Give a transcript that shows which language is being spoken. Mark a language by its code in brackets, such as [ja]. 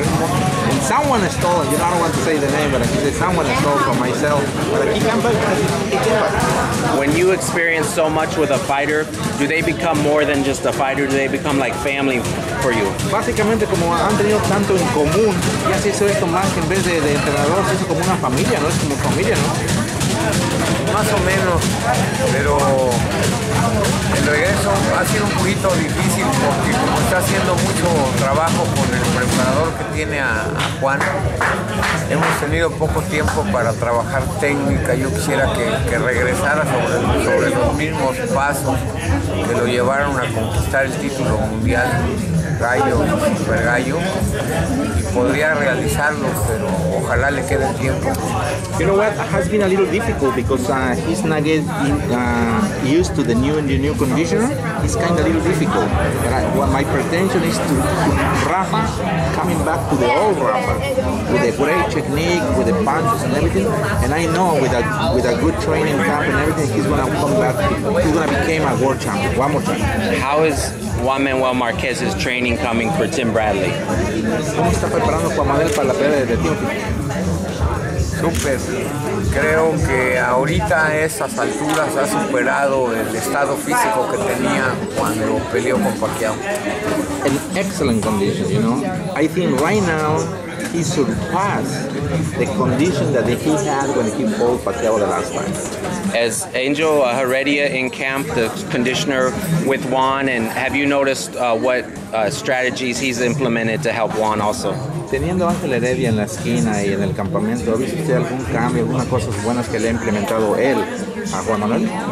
[en] And someone stole it, I don't want to say the name, but I say someone stole it from myself. But he came back and he came back. When you experience so much with a fighter, do they become more than just a fighter? Do they become like family for you? [es] Básicamente, como han tenido tanto en común, ya se hizo esto más que en vez de entrenador, se hizo como una familia, ¿no? Es como familia, ¿no? Más o menos, pero el regreso ha sido un poquito difícil porque como está haciendo mucho trabajo con el preparador que tiene a Juan, hemos tenido poco tiempo para trabajar técnica. Yo quisiera que regresara sobre los mismos pasos que lo llevaron a conquistar el título mundial gallo y super gallo, y podría realizarlo, pero ojalá le quede tiempo. [en] You know what, it has been a little difficult because he's not getting used to the new conditioner. It's kind of a little difficult. What my pretension is to Rafa coming back to the old Rafa with a great technique, with the punches and everything. And I know with a good training camp and everything, he's gonna come back. He's gonna become a world champion one more time. How is Juan Manuel Marquez's training coming for Tim Bradley? [es] ¿Cómo está preparando Juan Manuel para la pelea de Tim? Super. Creo que ahorita a esas alturas ha superado el estado físico que tenía cuando peleó con Pacquiao. [en] In excellent condition, you know. I think right now he surpassed the condition that he had when he fought Pacquiao the last time. As Angel Heredia in camp, the conditioner with Juan, and have you noticed what strategies he's implemented to help Juan also? [es] Teniendo Ángel Heredia en la esquina y en el campamento, ¿ha visto usted algún cambio, algunas cosas buenas que le ha implementado él a Juan Manuel?